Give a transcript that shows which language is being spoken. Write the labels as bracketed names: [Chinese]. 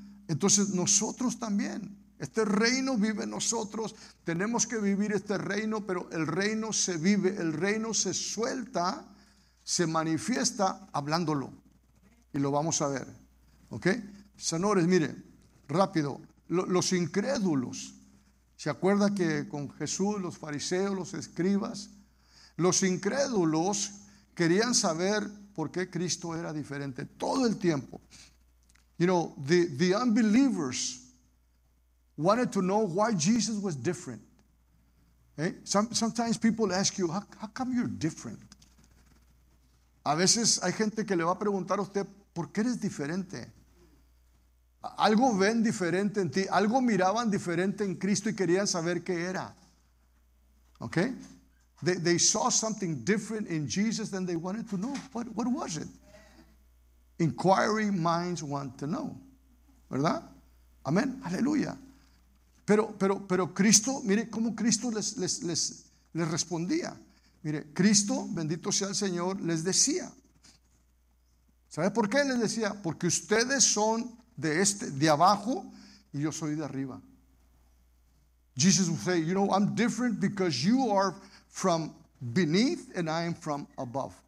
[Spanish] Entonces nosotros también, este reino vive en nosotros, tenemos que vivir este reino, pero el reino se vive, el reino se suelta, se manifiesta hablándolo. Y lo vamos a ver. ¿Ok? Señores, mire, rápido. Los incrédulos, ¿se acuerda que con Jesús, los fariseos, los escribas? Los incrédulos querían saber por qué Cristo era diferente todo el tiempo. [English] You know, the unbelievers wanted to know why Jesus was different. ¿Eh? Sometimes people ask you, how come you're different? [Spanish] A veces hay gente que le va a preguntar a usted, ¿por qué eres diferente? Algo ven diferente en ti, algo miraban diferente en Cristo y querían saber qué era. ¿Ok? [English] They saw something different in Jesus than they wanted to know. What was it? Inquiring minds want to know. ¿Verdad? Amén. Aleluya. [Spanish] Pero Cristo, mire cómo Cristo les respondía. Mire, Cristo, bendito sea el Señor, les decía. ¿Sabe por qué les decía? Porque ustedes son de abajo y yo soy de arriba. [English] Jesus would say, you know, I'm different because you are from beneath and I am from above.